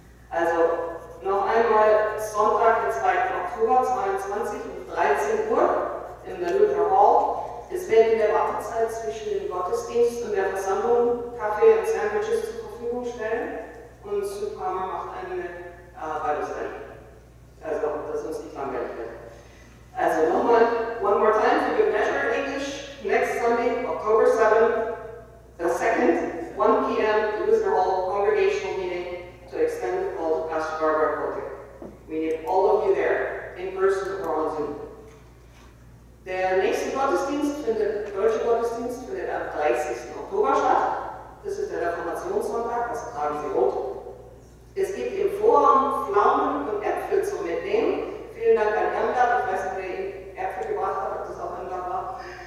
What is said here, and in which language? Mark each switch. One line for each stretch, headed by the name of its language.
German: Also noch einmal, Sonntag, den 2. Oktober 22 um 13 Uhr in der Luther Hall. Es wird in der Wartezeit zwischen dem Gottesdienst und der Versammlung Kaffee und Sandwiches zur Verfügung stellen und Supama macht eine Bibelstudie. Also, dass uns nicht langweilig wird. Also nochmal,
English: one more time, if you measure English, next Sunday, October 7th, the 2nd, 1 p.m., Luther Hall Congregational Meeting to extend the call to Pastor Barbara Colter. We need all of you there, in person or on Zoom.
German: Der nächste Gottesdienst findet, deutsche Gottesdienst, findet am 30. Oktober statt. Das ist der Reformationssonntag, also tragen Sie rot. Es gibt im Vorraum Pflaumen und Äpfel zum Mitnehmen. Vielen Dank an Irmgard, ich weiß nicht, wer Ihnen Äpfel gebracht hat, ob das auch Irmgard war.